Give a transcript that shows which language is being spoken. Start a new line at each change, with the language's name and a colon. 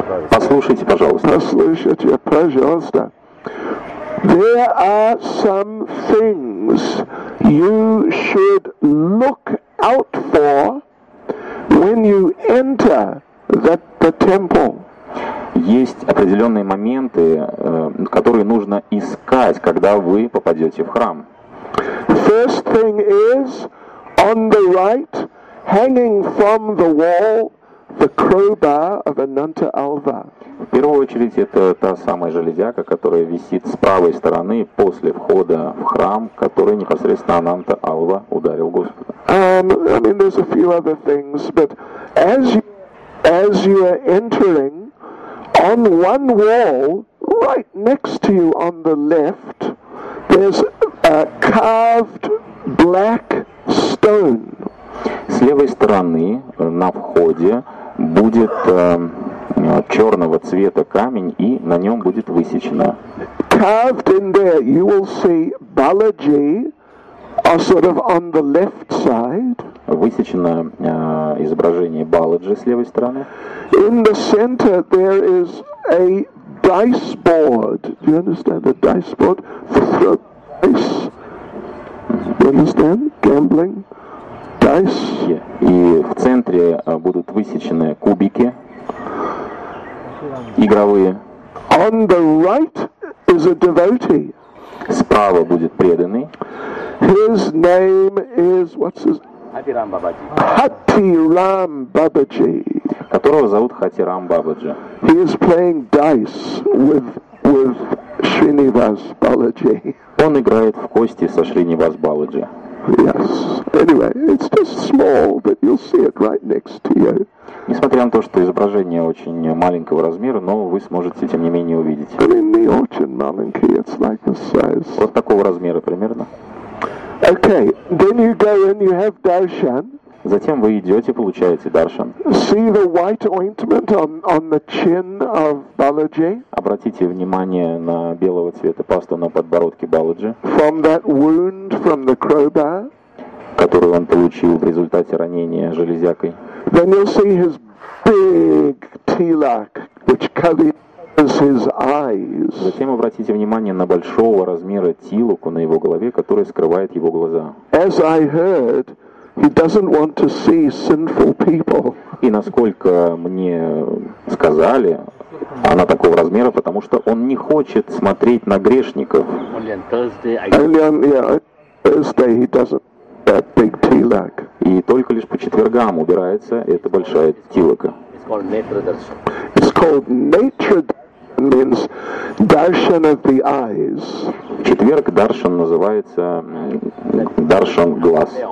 Russian: Послушайте, пожалуйста. Послушайте, пожалуйста.
English: There are some things you should look out for when you enter the temple.
Russian: Есть определенные моменты, которые нужно искать, когда вы попадете в храм.
English: First thing is on the right. Hanging from the wall, the crowbar of Ananta Alvar.
Russian: В первую очередь это та самая железяка, которая висит с правой стороны после входа в храм, который непосредственно Ананта Алвар ударил Господа.
English: I mean, there's a few other things, but as you as you are entering, on one wall, right next to you on the left, there's a carved black stone.
Russian: С левой стороны на входе будет черного цвета камень, и на нем будет высечено.
English: Carved in there, you will see Balaji, sort of on the left side.
Russian: Высечено изображение Баладжи с левой стороны.
English: In the center there is a dice board. Do you understand a dice board? Throw dice. Do you understand? Gambling. Dice.
Russian: И в центре будут высечены кубики игровые.
English: On the right is a devotee.
Russian: Справа будет преданный.
English: His name is, what's his name? Hatiram Babaji.
Russian: Которого зовут Хатирам Бабаджи.
English: He is playing dice with Srinivas Balaji.
Russian: Он играет в кости со Шринивас Бабаджи.
English: Yes. Anyway, it's just small, but you'll see it right next to you.
Russian: Несмотря на то, что изображение очень маленького размера, но вы сможете, тем не менее, увидеть.
English: But in the
Russian: очень маленький,
English: it's like this size.
Russian: Вот такого размера примерно.
English: Okay, then you go and you have darshan.
Russian: Затем вы идете, получаете даршан.
English: See the white ointment on the chin of Balaji.
Russian: Обратите внимание на белого цвета пасту на подбородке Баладжи.
English: From that wound from the crowbar,
Russian: которую он получил в результате ранения железякой.
English: Then you'll see his big tilak, which covers his eyes.
Russian: Затем обратите внимание на большого размера тилаку на его голове, который скрывает его глаза.
English: As I heard, he doesn't want to see sinful people.
Russian: И насколько мне сказали, она такого размера, потому что он не хочет смотреть на грешников.
English: Only on Thursday he doesn't that big tilak.
Russian: И только лишь по четвергам убирается эта большая тилака.
English: It's called nature means darshan of the eyes.
Russian: В четверг даршан называется даршан глаз.